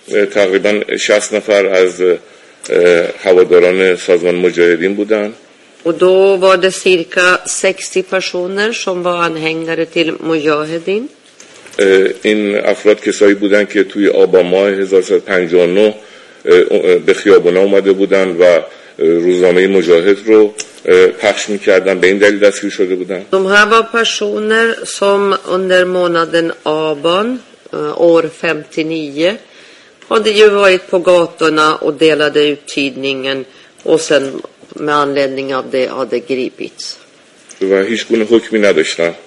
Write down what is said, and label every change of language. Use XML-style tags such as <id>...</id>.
<fa>تقریبا 60 نفر از هواداران سازمان مجاهدین بودن.</fa> <sv>Och då var det cirka 60 personer som var anhängare till mujahedin.</sv> <fa>این افراد کسایی بودن که توی آبان ماه 1359 به خیابونا اومده بودن و روزنامه مجاهد رو پخش میکردن، به این دلیل دستگیر شده بودن.</fa> <sv>De här var personer som under månaden Aban år 59 hade ju varit på gatorna och delade ut tidningen och sen med anledning av det hade gripits.</sv> <fa>و هیچ گونه حکمی نداشتن.</fa>